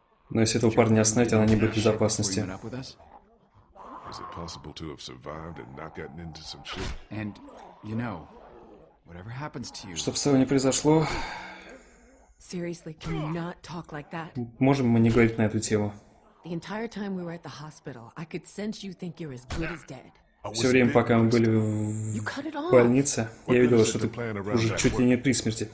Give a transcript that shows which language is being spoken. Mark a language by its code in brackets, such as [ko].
[ru] Но если этого парня не остановить, она не будет в безопасности. [en] Is it possible to have survived and not gotten into some shit? And you know, whatever happens to you. [ru] Чтоб с тобой не произошло. [en] Seriously, can we not talk like that? [ru] Можем мы не говорить на эту тему? [en] The entire time we were at the hospital, I could sense you think you're as good as dead. [ru] Все время, пока мы были в больнице, я видел, что ты уже чуть ли не при смерти.